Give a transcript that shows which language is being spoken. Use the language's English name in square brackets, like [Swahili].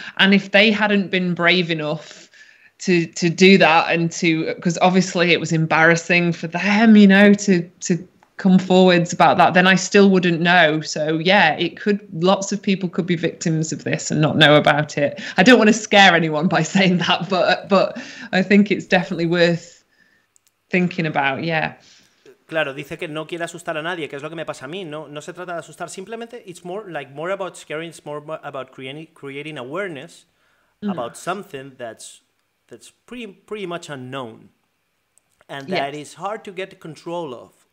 [English] And if they hadn't been brave enough to do that, and to, because obviously it was embarrassing for them, you know, to come forwards about that, then I still wouldn't know. So yeah, it could, lots of people could be victims of this and not know about it. I don't want to scare anyone by saying that, but I think it's definitely worth thinking about. Yeah. [Spanish] Claro, dice que no quiere asustar a nadie, que es lo que me pasa a mí. No, no se trata de asustar, simplemente [English] it's more like more about scaring, it's more about creating awareness about something that's pretty much unknown, and that is hard to get control of.